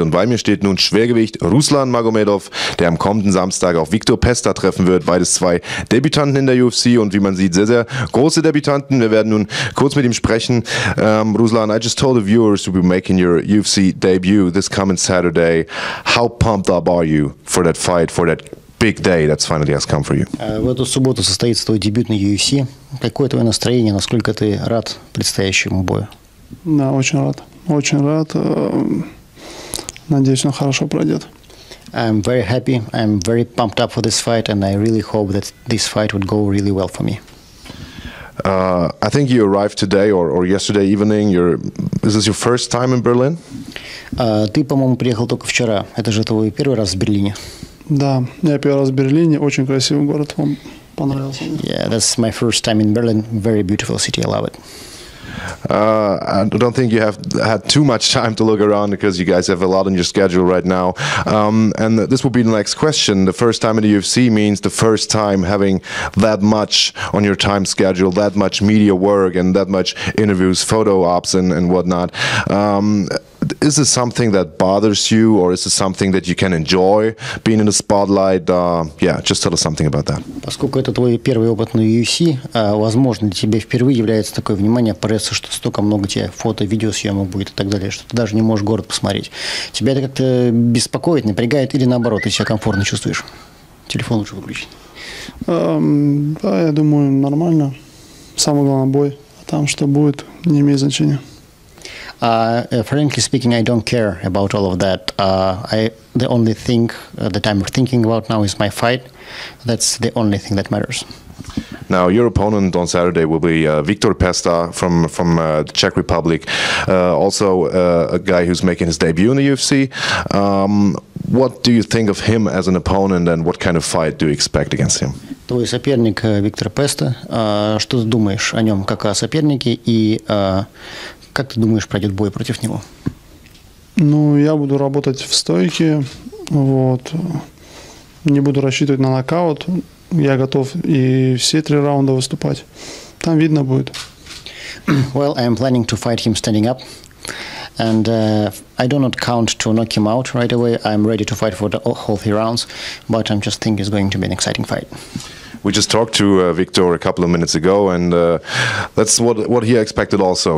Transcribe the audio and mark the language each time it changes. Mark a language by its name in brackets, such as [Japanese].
[German] Und bei mir steht nun Schwergewicht Ruslan Magomedov, der am kommenden Samstag auf Viktor Pesta treffen wird. Beides zwei Debütanten in der UFC und wie man sieht, sehr, sehr große Debütanten. Wir werden nun kurz mit ihm sprechen. [English] Ruslan, I just told the viewers you'll be making your UFC debut this coming Saturday. How pumped up are you for that fight, for that big day that's finally has come for you? [Russian] В эту субботу состоится твой дебют на UFC. Какое твое настроение? Насколько ты рад предстоящему бою? Да, очень рад. Очень рад. Надеюсь, он хорошо пройдет. [English] I'm very happy. I'm very pumped up for this fight, and I really hope that this fight would go really well for me. I think you arrived today or yesterday evening. Is this your first time in Berlin? [Russian] Ты, по-моему, приехал только вчера. Это же твой первый раз в Берлине. Да, я первый раз в Берлине. Очень красивый город. Вам понравился? [English] Yeah, that's my first time in Berlin. Very beautiful city. I love it. I don't think you have had too much time to look around because you guys have a lot on your schedule right now. And this will be the next question. The first time in the UFC means the first time having that much on your time schedule, that much media work and that much interviews, photo ops and whatnot. Is this something that bothers you or is this something that you can enjoy being in the spotlight? Yeah, just tell us something about that. [Russian] Поскольку это твой первый опыт на UFC, возможно, для тебя впервые является такое внимание прессы, что столько много тебе фото, видеосъемок будет и так далее, что ты даже не можешь город посмотреть. Тебя это как-то беспокоит, напрягает или наоборот, ты себя комфортно чувствуешь? Телефон лучше выключить. Да, я думаю, нормально. Самое главное бой, а там что будет, не имеет значения. [English] Frankly speaking, I don't care about all of that. The only thing that I'm thinking about now is my fight. That's the only thing that matters. Now, your opponent on Saturday will be Viktor Pesta from the Czech Republic. Also a guy who's making his debut in the UFC. What do you think of him as an opponent and what kind of fight do you expect against him? [Russian] Твой соперник Виктор Песта. Что ты думаешь о нем как о сопернике и... Как ты думаешь, пройдет бой против него? Ну, я буду работать в стойке, вот. Не буду рассчитывать на нокаут. Я готов и все три раунда выступать. Там видно будет. [English] Well, I am planning to fight him standing up. And I do not count to knock him out right away. I'm ready to fight for the whole three rounds. But I just think it's going to be an exciting fight. We just talked to Viktor a couple of minutes ago, and that's what he expected also.